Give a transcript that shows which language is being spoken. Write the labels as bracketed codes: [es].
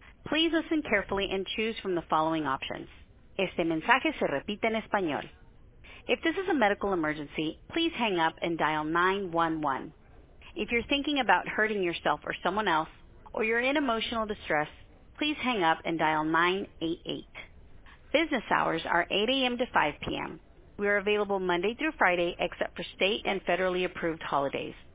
[en] Please listen carefully and choose from the following options. [es] Este mensaje se repite en español. [en] If this is a medical emergency, please hang up and dial 911. If you're thinking about hurting yourself or someone else, or you're in emotional distress, please hang up and dial 988. Business hours are 8 a.m. to 5 p.m. We are available Monday through Friday, except for state and federally approved holidays.